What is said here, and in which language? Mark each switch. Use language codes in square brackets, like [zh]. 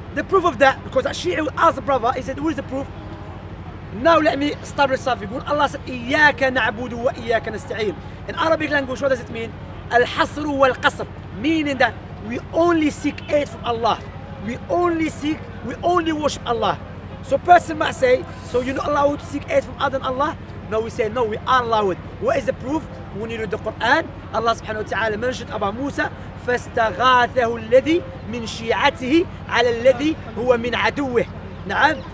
[en] The proof of that, because Shia asked the brother, he said, what is the proof? Now let me establish something. When Allah said, [ar] إِيَّاكَ نَعْبُدُ وَإِيَّاكَ نَسْتَعِينُ. [en] In Arabic language, what does it mean? [ar] الْحَصْرُ وَالْقَصْرُ. [en] Meaning that we only seek aid from Allah. We only worship Allah. So person might say, so you're not allowed to seek aid from other than Allah? No, we say, no, we are allowed. What is the proof? When you read the Quran, Allah subhanahu wa ta'ala mentioned about Musa, [ar] فَاسْتَغَاثَهُ الَّذِي مِنْ شِيَعَتِهِ عَلَى الَّذِي هُوَ مِنْ عَدُوِهِ. [en] Na'am.